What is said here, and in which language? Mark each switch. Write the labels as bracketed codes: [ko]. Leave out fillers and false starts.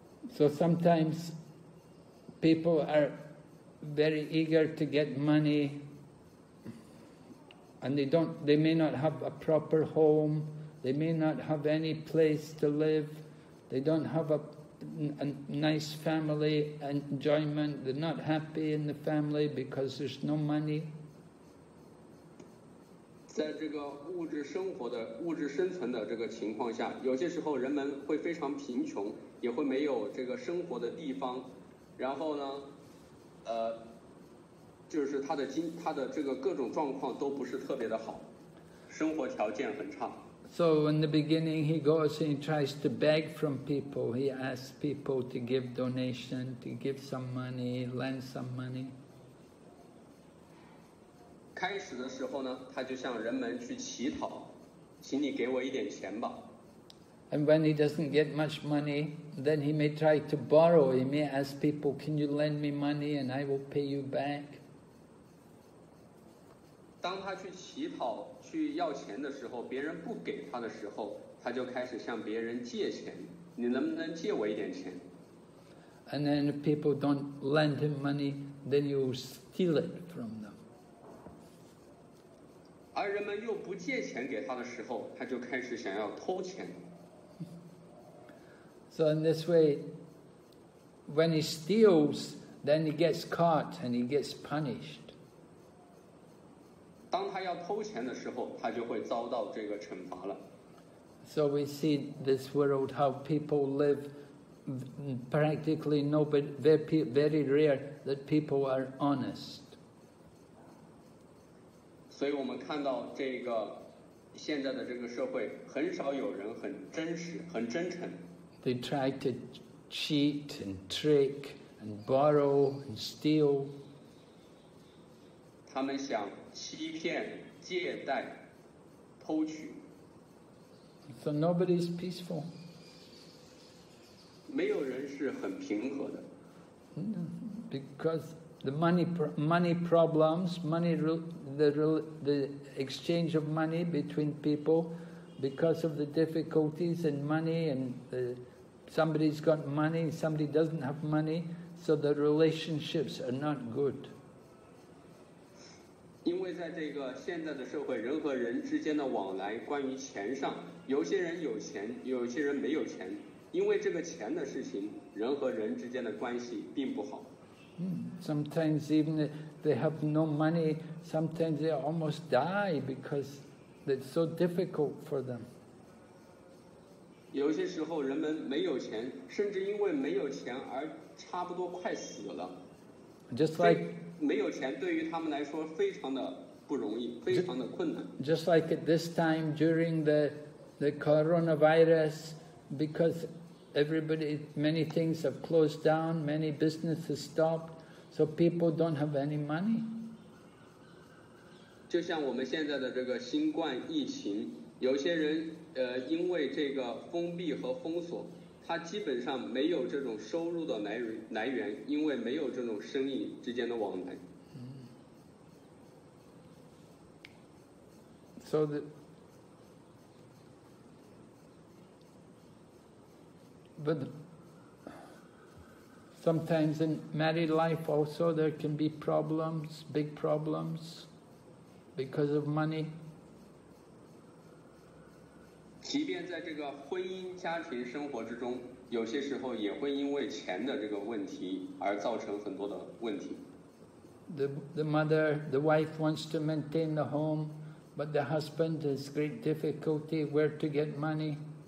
[en] So sometimes people are very eager to get money and they may not have a proper home, they may not have any place to live, they don't have a nice family enjoyment, they're not happy in the family because there's no money. [zh] 在这个物质生存的这个情况下，有些时候人们会非常贫穷。也会没有这个生活的地方，然后呢，就是他的这个各种状况都不是特别的好，生活条件很差。 [en] So in the beginning, he goes and he tries to beg from people. He asks people to give donation, to give some money, lend some money. [zh] 开始的时候呢，他就向人们去乞讨，请你给我一点钱吧。 [en] And when he doesn't get much money, then he may try to borrow. He may ask people, can you lend me money and I will pay you back? [zh] 当他去乞讨去要钱的时候，别人不给他的时候，他就开始向别人借钱。你能不能借我一点钱？ [en] And then if people don't lend him money, then he will steal it from them. [zh] 而人们又不借钱给他的时候，他就开始想要偷钱。 [en] So in this way, when he steals, then he gets caught and he gets punished. [zh] 当他要偷钱的时候，他就会遭到这个惩罚了。 [en] So we see this world how people live. Practically nobody, very rare that people are honest. [zh] 所以我们看到这个现在的这个社会，很少有人很真实、很真诚。 [en] They try to cheat and trick and borrow and steal. [zh] 他们想欺骗、借贷、偷取。 [en] So nobody's peaceful. [zh] 没有人是很平和的。 [en] Because the money problems, the exchange of money between people, because of the difficulties in money and the somebody's got money, somebody doesn't have money, so the relationships are not good. [zh] 因为在这个现在的社会，人和人之间的往来关于钱上，有些人有钱，有些人没有钱。因为这个钱的事情，人和人之间的关系并不好。 [en] Sometimes even if they have no money, sometimes they almost die because it's so difficult for them. [zh] 有些时候人们没有钱，甚至因为没有钱而差不多快死了。 [en] Just like [zh] 没有钱对于他们来说非常的不容易，非常的困难。 [en] Just like at this time during the coronavirus, because many things have closed down, many businesses stopped, so people don't have any money. [zh] 就像我们现在的这个新冠疫情，有些人因为这个封闭和封锁，他基本上没有这种收入的来源，因为没有这种生意之间的往来。 [en] So sometimes in married life also there can be problems, big problems, because of money. [zh] 即便在这个婚姻家庭生活之中，有些时候也会因为钱的这个问题而造成很多的问题。 [en] The wife wants to maintain the home, but the husband has great difficulty where to get money.